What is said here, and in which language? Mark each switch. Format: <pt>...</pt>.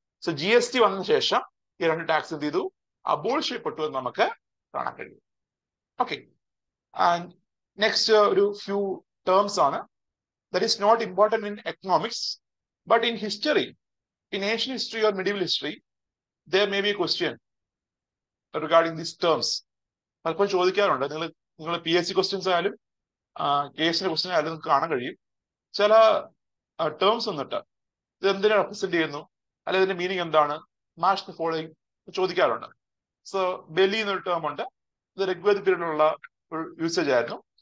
<ml>So G S T വന്നതിന് ശേഷം ഈ രണ്ട് ടാക്സ് എന്ത് ചെയ്തു? അബോളിഷ് ചെയ്യപ്പെട്ടു എന്ന് നമുക്ക് കാണാൻ കഴിയും.</ml> <en>Okay, and next ഒരു few terms ആണ്. That is not important in economics but in history, in Asian history or medieval history, there may be a question regarding these terms.</en> <ml>പലപ്പോൾ ചോദിക്കാറുണ്ട്. നിങ്ങൾ നിങ്ങളുടെ പി എസ് സി ക്വസ്റ്റ്യൻസ് ആയാലും കേസിന്റെ question ആയാലും നിങ്ങൾക്ക് കാണാൻ കഴിയും ചില ടേംസ് വന്നിട്ട് ഇത് എന്തിനെ റെപ്രസെന്റ് ചെയ്യുന്നു അല്ലെ ഇതിന്റെ മീനിങ് എന്താണ് മാച്ച് ദി ഫോളോയിങ് ചോദിക്കാറുണ്ട്. സോ ബെലി എന്നൊരു ടേം ഉണ്ട്, ഇത് ഋഗ്വേദ പീരിയഡിലുള്ള യൂസേജ് ആയിരുന്നു.</ml>